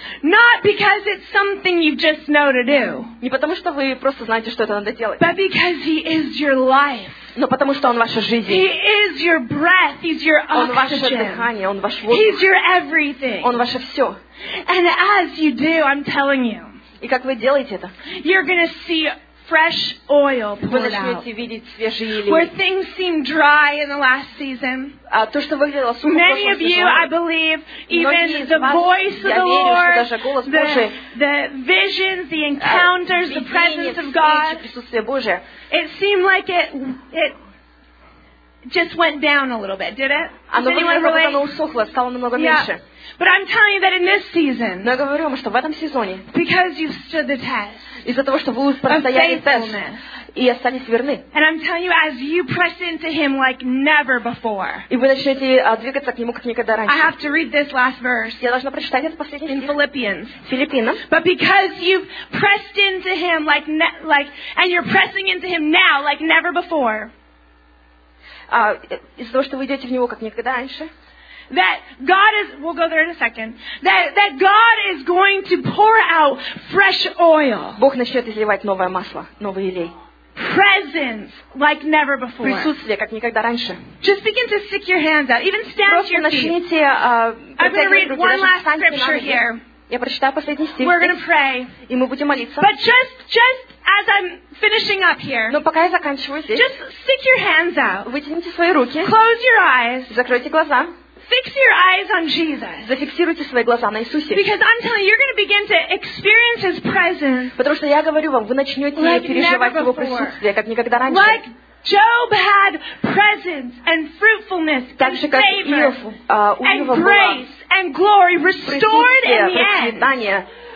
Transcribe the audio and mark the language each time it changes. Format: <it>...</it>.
<en>Not because it's something you just know to do.</en> <ru>Не потому что вы просто знаете, что это надо делать.</ru> <en>But because He is your life.</en> <ru>Но потому что Он ваша жизнь.</ru> <en>He is your breath. He's your oxygen.</en> <ru>Он ваше дыхание. Он ваш воздух.</ru> <en>He's your everything.</en> <ru>Он ваше все.</ru> <en>And as you do, I'm telling you.</en> <ru>И как вы делаете это?</ru> <en>You're gonna see fresh oil poured out. Where things seem dry in the last season.</en> <ru>То, что выглядело сухо.</ru> <en>Many of you, I believe, even the voice of the Lord, the visions, the encounters, the presence of God, it seemed like it just went down a little bit, did it?</en> <ru>Оно выглядело,</ru> <en>really?</en> <ru>Как оно усохло, стало намного меньше.</ru> <en>But I'm telling you that in this season,</en> <ru>но я говорю вам, что в этом сезоне,</ru> <en>because you stood the test,</en> <ru>из-за того, что вы простояли тест и остались верны.</ru> <en>And I'm telling you, as you press into Him like never before.</en> <ru>И вы начнете двигаться к Нему как никогда раньше.</ru> <en>I have to read this last verse.</en> <ru>Я должна прочитать этот последний стих.</ru> <en>In Philippians.</en> <ru>Филиппинам.</ru> <en>But because you've pressed into Him like and you're pressing into Him now like never before.</en> <ru>Из-за того, что вы идете в Него как никогда раньше.</ru> <en>that God is, we'll go there in a second, that God is going to pour out fresh oil.</en> <ru>Бог начнёт изливать новое масло, новый елей.</ru> <en>Presence like never before.</en> <ru>Присутствие как никогда раньше.</ru> <en>Just begin to stick your hands out, even stand</en> <ru>Просто</ru> <en>your</en> <ru>начните,</ru> <en>feet.</en> <ru>Просто начните,</ru> <en>I'm going to read one last scripture here.</en> <ru>Я прочитаю последний стих.</ru> <en>We're going to pray.</en> <ru>И мы будем молиться.</ru> <en>But just as I'm finishing up here.</en> <ru>Но пока я заканчиваю здесь.</ru> <en>Just stick your hands out.</en> <ru>Вытяните свои руки.</ru> <en>Close your eyes.</en> <ru>Закройте глаза.</ru> <en>Fix your eyes on Jesus.</en> <ru>Зафиксируйте свои глаза на Иисусе.</ru> <en>Because I'm telling you, you're going to begin to experience His presence.</en> <ru>Потому что я говорю вам, вы начнете переживать Его присутствие, как никогда раньше.</ru> <en>Like Job had presence and fruitfulness and</en> <ru>Также, как</ru> <en>favor</en> <ru>Иов,</ru> <en>and grace and glory restored in the end.</en>